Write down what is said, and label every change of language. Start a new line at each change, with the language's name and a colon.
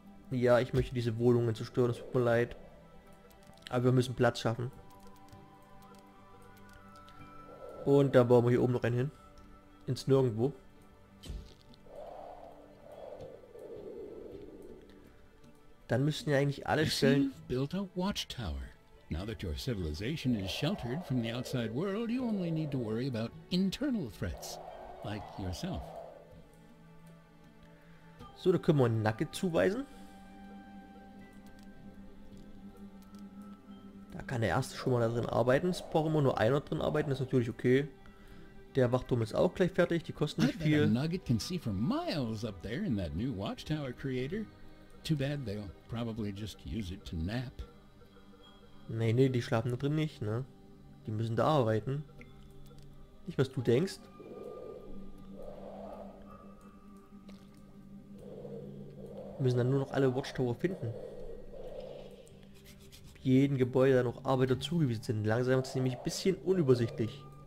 German: Ja, ich möchte diese Wohnungen zerstören, es tut mir leid. Aber wir müssen Platz schaffen. Und da bauen wir hier oben noch einen hin. Ins Nirgendwo. Dann müssten ja eigentlich alle Stellen...
English: Built a watchtower. Now that your civilization is sheltered from the outside world, you only need to worry about internal threats, like yourself.
German: So, da können wir einen Nugget zuweisen. Da kann der erste schon mal da drin arbeiten. Es braucht immer nur einer drin arbeiten, das ist natürlich okay. Der Wachturm ist auch gleich fertig, die kosten nicht viel.
English: Nugget can see for miles up there in that new watchtower creator. Too bad they'll probably just use it to nap.
German: Nee, die schlafen da drin nicht, ne? Die müssen da arbeiten. Nicht, was du denkst. Müssen dann nur noch alle Watchtower finden. Ob jeden Gebäude da noch Arbeiter zugewiesen sind. Langsam ist es nämlich ein bisschen unübersichtlich.